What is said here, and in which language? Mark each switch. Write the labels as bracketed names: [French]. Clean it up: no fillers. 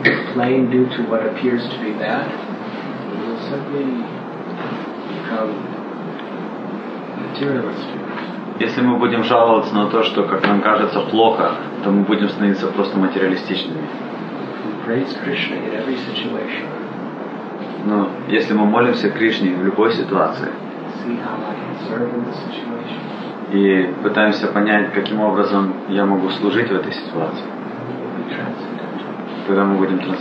[English] Complain due to what appears to be bad, we will simply become materialistic. [Russian] Если мы будем жаловаться на то, что, как нам кажется, плохо, то мы будем становиться просто материалистичными. [English] Praise Krishna in every situation. [Russian] Но если мы молимся Кришне в любой ситуации, [English] see how I can serve in the situation. [Russian] И пытаемся понять, каким образом я могу служить в этой ситуации, когда мы будем